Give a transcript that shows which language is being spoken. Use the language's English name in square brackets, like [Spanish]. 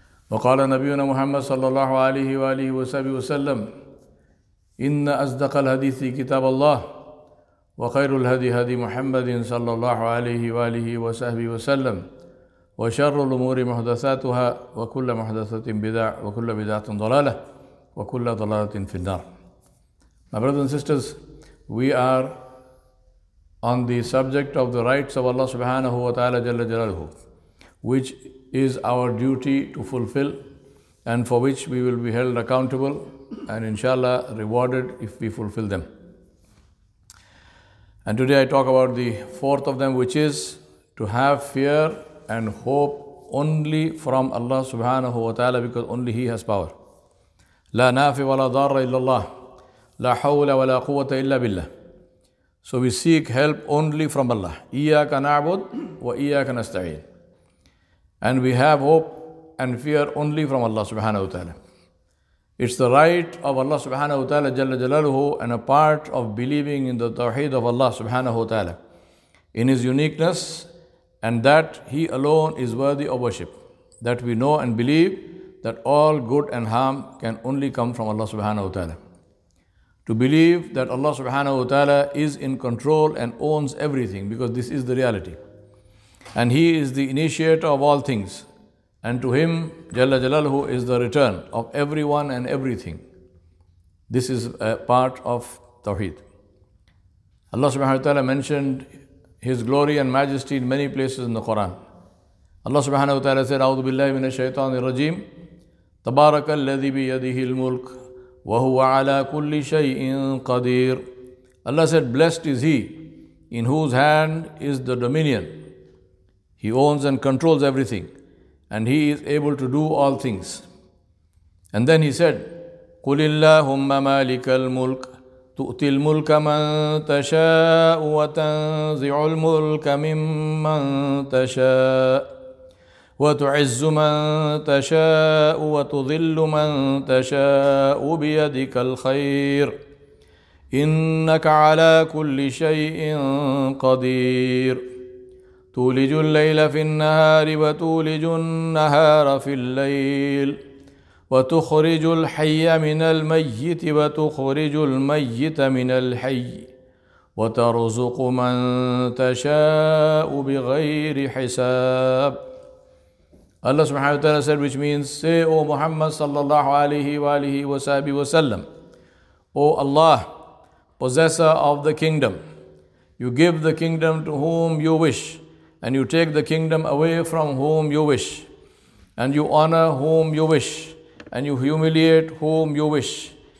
[Arabic] وقال نبينا محمد صلى الله عليه وآله وسلم إن أصدق الحديث كتاب الله وخير الهدي هدي محمد صلى الله عليه وآله وصحبه وسلم وشر الأمور محدثاتها وكل محدثة بدعة وكل بدعة ضلالة وكل ضلالة في النار. [English] My brothers and sisters, we are on the subject of the rights of Allah subhanahu wa ta'ala jalla jalaluhu, which is our duty to fulfill and for which we will be held accountable and inshallah rewarded if we fulfill them. And today I talk about the fourth of them, which is to have fear and hope only from Allah subhanahu wa ta'ala, because only He has power. [Arabic] لا نافع ولا ضار إلا الله لا حول ولا قوة إلا بالله. [English] So we seek help only from Allah. [Arabic] إياك نعبد وإياك نستعين. [English] And we have hope and fear only from Allah subhanahu wa ta'ala. It's the right of Allah subhanahu wa ta'ala jalla jalaluhu, and a part of believing in the Tawheed of Allah subhanahu wa ta'ala, in His uniqueness, and that He alone is worthy of worship, that we know and believe that all good and harm can only come from Allah subhanahu wa ta'ala. To believe that Allah subhanahu wa ta'ala is in control and owns everything, because this is the reality. And He is the initiator of all things. And to Him, Jalla Jalaluhu, is the return of everyone and everything. This is a part of Tawheed. Allah subhanahu wa ta'ala mentioned His glory and majesty in many places in the Quran. Allah subhanahu wa ta'ala said, [Arabic] أعوذ بالله من الشيطان الرجيم تبارك الذي بيده الملك وهو على كل شيء قدير. [English] Allah said, blessed is He in whose hand is the dominion. He owns and controls everything. And He is able to do all things. And then He said, [Arabic] قُلِ اللَّهُمَّ مَالِكَ الْمُلْكِ تُؤْتِي الْمُلْكَ مَنْ تَشَاءُ وَتَنْزِعُ الْمُلْكَ مِمَّنْ تَشَاءُ وَتُعِزُّ مَنْ تَشَاءُ وَتُذِلُّ مَنْ تَشَاءُ بِيَدِكَ الْخَيْرِ إِنَّكَ عَلَى كُلِّ شَيْءٍ قَدِيرٌ تولج الليل في النهار وتولج النهار في الليل وتخرج الحي من الميت وتخرج الميت من الحي وترزق من تشاء بغير حساب. [English] Allah subhanahu wa ta'ala said, which means, say, O Muhammad sallallahu alayhi wa alihi wa sahbihi wa sallam, O Allah, possessor of the kingdom, you give the kingdom to whom you wish, and you take the kingdom away from whom you wish, and you honor whom you wish, and you humiliate whom you wish.